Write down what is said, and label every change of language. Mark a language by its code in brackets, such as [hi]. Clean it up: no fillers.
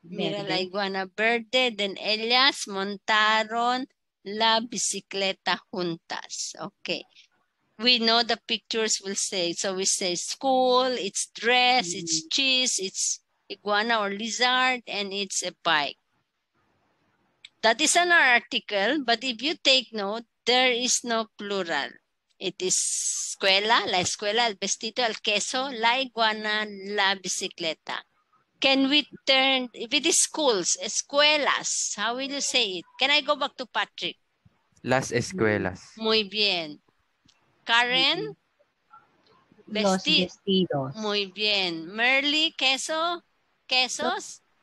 [es] verde. Mira la iguana verde. Then ellas montaron la bicicleta juntas. Okay. [en] We know the pictures will say, so we say school, it's dress, it's cheese, it's iguana or lizard, and it's a bike. That is an article, but if you take note, there is no plural. It is [es] escuela, la escuela, el vestido, el queso, la iguana, la bicicleta. [en] Can we turn, if it is schools, escuelas, how will you say it? Can I go back to Patrick? [es] Las escuelas. Muy bien. Karen? Los vestidos. Muy bien. Merly, queso? Quesos?